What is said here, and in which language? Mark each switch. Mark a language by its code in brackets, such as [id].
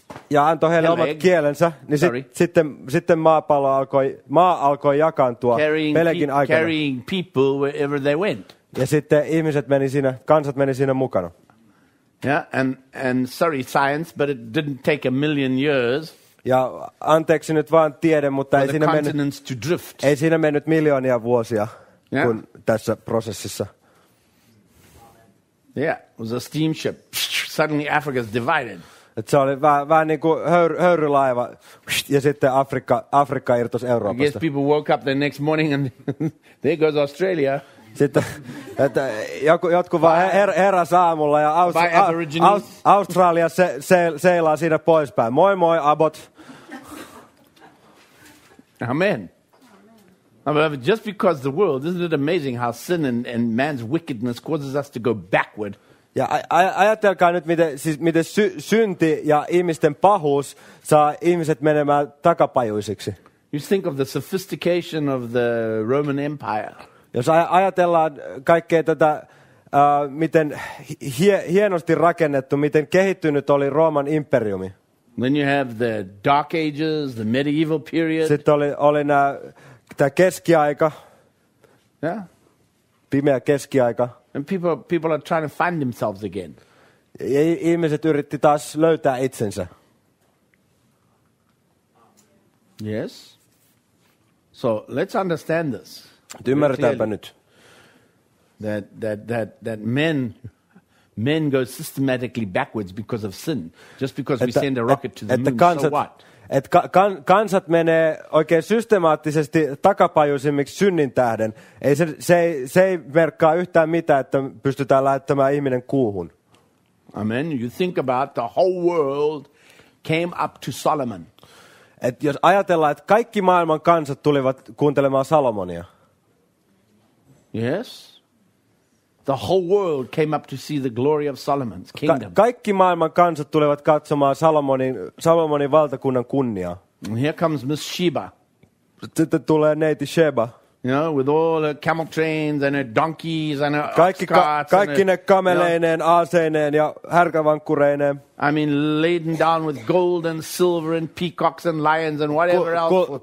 [fi] Ja antoi heille omat kielensä, niin sitten maa alkoi jakaantua Pelegin aikana. [en] Carrying people wherever they went. [fi] Ja sitten kansat meni siinä mukana. [en] Yeah, and sorry science, but it didn't take a million years. [fi] Ja anteeksi nyt vaan tiede, mutta ei siinä mennyt miljoonia vuosia kuin tässä prosessissa. [en] Yeah, it was a steamship. Suddenly Africa's divided. [fi] Että se oli vähän niin kuin höyrylaiva ja sitten Afrikka irtosi Euroopasta. [en] I guess people woke up the next morning and there goes Australia. [fi] Sitten, että jotkut vaan heräs aamulla ja Australia seilaa siinä poispäin. Moi moi, Abbot. Amen. [en] Just because the world, isn't it amazing how sin and man's wickedness causes us to go backward? [fi] Ja ajatelkaa nyt, miten synti ja ihmisten pahuus saa ihmiset menemään takapajuisiksi. [en] You think of the sophistication of the Roman Empire. [fi] Jos ajatellaan kaikkea tätä, miten hienosti rakennettu, miten kehittynyt oli Rooman imperiumi. [en] Then you have the Dark Ages, the medieval period. [fi] Sitten oli tämä keskiaika. [en] Yeah. [fi] Pimeä keskiaika. [en] And people are trying to find themselves again. Ihmiset yritti taas löytää itsensä. Yes. So let's understand this. [fi] Ymmärretäänpä nyt. [en] That men go systematically backwards because of sin. Just because we send a rocket to the moon, [fi] kansat, [en] so what? [fi] Että kansat menee oikein systemaattisesti takapajuisimmiksi synnin tähden. Ei se merkkaa yhtään mitään, että pystytään lähettämään ihminen kuuhun. Amen. [en] You think about the whole world came up to Solomon. [fi] Et jos ajatellaan, että kaikki maailman kansat tulivat kuuntelemaan Salomonia. [en] Yes. The whole world came up to see the glory of Solomon's kingdom. [fi] Kaikki maailman kansat tulevat katsomaan Salomonin valtakunnan kunniaa. [en] And here comes Miss Sheba. [fi] Sitten tulee neiti Sheba. [en] You know, with all her camel trains and her donkeys and her ox carts. [fi] Kaikki ne kameleineen, aaseineen ja härkävankkureineen. [en] I mean, laden down with gold and silver and peacocks and lions and whatever else.